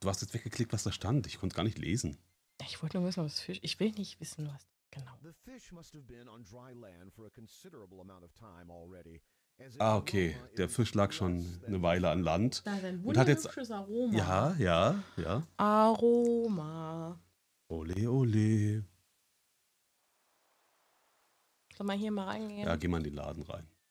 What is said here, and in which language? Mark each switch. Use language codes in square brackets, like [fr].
[de] Du hast jetzt weggeklickt, was da stand. Ich konnte gar nicht lesen. Ich wollte nur wissen, was Fisch. Ich will nicht wissen, was. Genau. [en] The fish must have been on dry land for a considerable amount of time already. [de] Ah, okay. Der Fisch lag schon eine Weile an Land. Da ist ein wunderhübsches Aroma. Ja, ja, ja. Aroma. Ole, ole. Soll man hier mal reingehen? Ja, geh mal in den Laden rein.